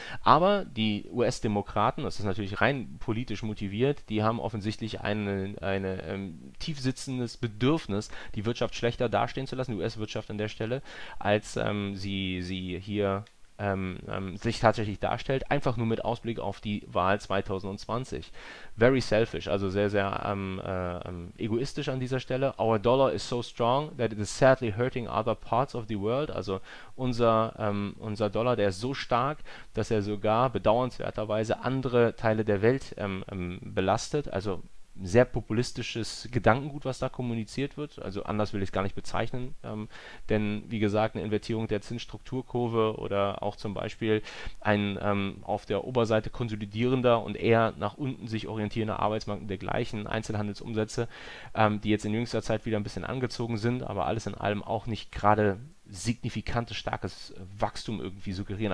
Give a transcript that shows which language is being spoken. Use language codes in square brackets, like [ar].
[de] Aber die US-Demokraten, das ist natürlich rein politisch motiviert, die haben offensichtlich ein tief sitzendes Bedürfnis, die Wirtschaft schlechter dastehen zu lassen, die US-Wirtschaft an der Stelle, als sie hier sich tatsächlich darstellt, einfach nur mit Ausblick auf die Wahl 2020. [en] Very selfish, [de] also sehr, sehr egoistisch an dieser Stelle. [en] Our dollar is so strong that it is sadly hurting other parts of the world. [de] Also unser Dollar, der ist so stark, dass er sogar bedauernswerterweise andere Teile der Welt belastet. Also sehr populistisches Gedankengut, was da kommuniziert wird. Also anders will ich es gar nicht bezeichnen. Denn, wie gesagt, eine Invertierung der Zinsstrukturkurve oder auch zum Beispiel ein auf der Oberseite konsolidierender und eher nach unten sich orientierender Arbeitsmarkt und dergleichen Einzelhandelsumsätze, die jetzt in jüngster Zeit wieder ein bisschen angezogen sind, aber alles in allem auch nicht gerade signifikantes, starkes Wachstum irgendwie suggerieren.